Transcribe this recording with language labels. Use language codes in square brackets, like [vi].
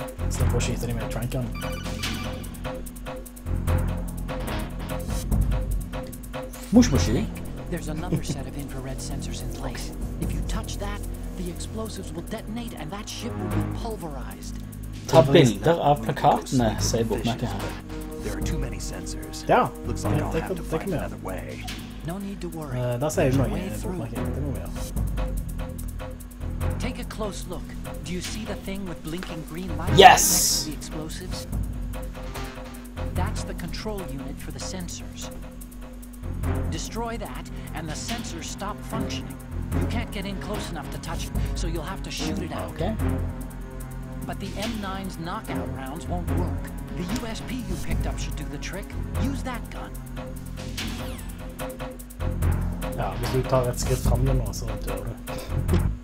[no] Slipp å skyte dem med trankeren. Mush-mushy. [en] There's another set of infrared sensors in place. If you touch that, the explosives will detonate and that ship will be pulverized. [no] Ta bilder av plakatene, sier bokmerket her. [en] There are too many sensors. [no] Ja, det kan vi gjøre. [en] No need to worry. [no] Da ser vi noe. Det må vi gjøre. [en] Take a close look. Do you see the thing with blinking green lights? Yes! Next to the explosives? That's the control unit for the sensors. Destroy that, and the sensors stop functioning. You can't get in close enough to touch it, so you'll have to shoot it out. Okay. But the M9's knockout rounds won't work. The USP you picked up should do the trick. Use that gun. [no] Ja, hvis du tar et skritt frem nå, så dør du.